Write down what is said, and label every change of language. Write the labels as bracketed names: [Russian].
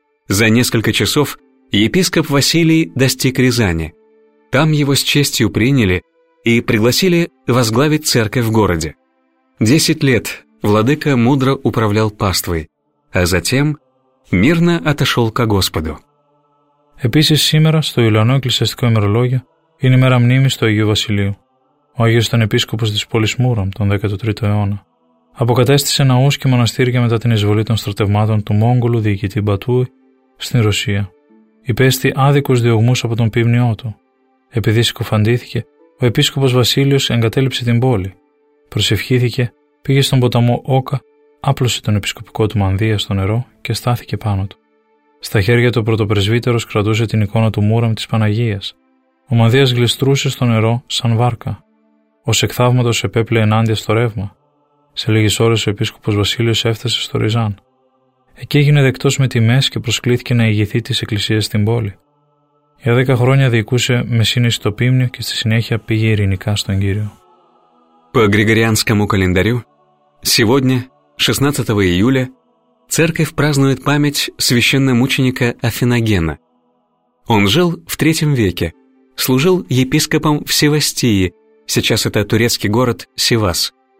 [Russian] За несколько часов епископ Василий достиг Рязани. Там его с честью приняли и пригласили возглавить церковь в городе. 10 лет владыка мудро управлял паствой, а затем мирно отошел ко Господу. [Greek] Επίσης σήμερα στο Ιουλιανό εκκλησιαστικό ημερολόγιο είναι η μέρα μνήμης του Αγίου Βασιλείου. Ο Άγιος ήταν επίσκοπος της πόλης Μούραμ τον 13ο αιώνα. Αποκατέστησε ναούς και μοναστήρια μετά την εισβολή των στρατευμάτων του Μόγκολου διοικητή Μπατούι στην Ρωσία. Υπέστη άδικους διωγμούς από τον πίμνιό του. Επειδή συκοφαντήθηκε, ο επίσκοπος Βασίλειος εγκατέλειψε την πόλη. Προσευχήθηκε, πήγε στον ποταμό Όκα, άπλωσε τον επισκοπικό του μανδύα στο νερό και στάθηκε πάνω του. Στα χέρια του ο πρωτοπρεσβύτερος κρατούσε την εικόνα του Μούραμ της Παναγίας. Ο μανδύας γλιστρούσε στο νερό σαν βάρκα. Ως εκ θαύματος επέπλε ενάντια στο ρεύμα. Σε λίγες ώρες ο επίσκοπος Βασίλειος έφτασε στο Ριζάν. Εκεί έγινε δεκτός με τιμές και προσκλήθηκε να ηγηθεί της εκκλησίας στην πόλη. Για 10 χρόνια διοικούσε με σύνεση το πίμνιο και στη συνέχεια πήγε ειρηνικά στον Κύριο. [Russian] По григорианскому календарю, сегодня, 16 июля, церковь празднует память священномученика Афиногена. Он жил в III веке, служил епископом в Севастии, сейчас это турецкий город Сивас.